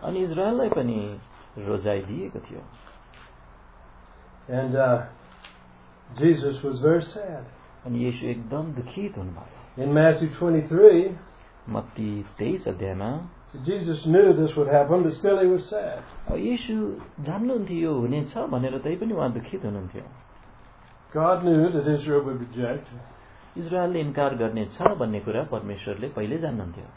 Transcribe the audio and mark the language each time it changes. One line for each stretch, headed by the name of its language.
Nepali: अनि इजरायललाई पनि रोजाइ दिएको थियो
English: And Jesus was very sad.
Nepali: अनि यीशु एकदम दुखित हुनुभयो
English: In Matthew 23
Nepali: मत्ती 23 अध्यायमा
English: Jesus knew this would happen, but still he was sad.
Nepali: यीशु जान्नुहुन्थ्यो हुनेछ भनेर तै पनि उहाँ दुखित हुनुहुन्थ्यो.
English: God knew that Israel would reject.
Nepali: इजरायलले इन्कार गर्नेछ भन्ने कुरा परमेश्वरले पहिले जान्नुहुन्थ्यो.